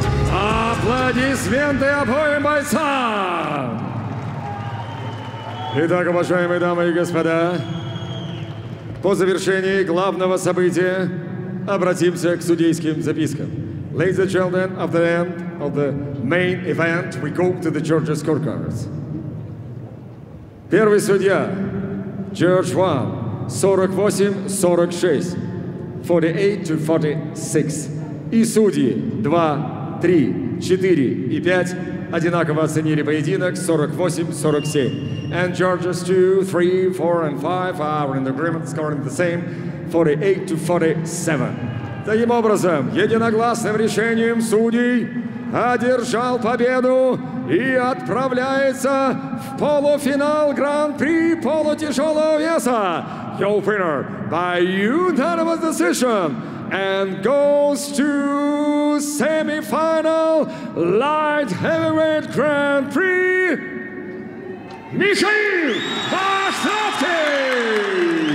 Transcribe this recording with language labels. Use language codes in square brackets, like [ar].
[ru] Аплодисменты обоим бойцам! Итак, уважаемые дамы и господа, по завершении главного события обратимся к судейским запискам. [en] Ladies and gentlemen, after the end of the main event, we go to the judges' scorecards. [ru] Первый судья Джордж Ван, 48-46. 48-46. И судьи 2, 3, 4 и 5 одинаково оценили поединок 48-47. [en] And judges 2, 3, 4 and 5 are in agreement, scoring the same 48-47. [ru] Таким образом, единогласным решением судей одержал победу и отправляется в полуфинал Гран-при полутяжелого веса. [en] Your winner by unanimous decision and goes to semi-final light heavyweight Grand Prix, Михаил Мохнаткин!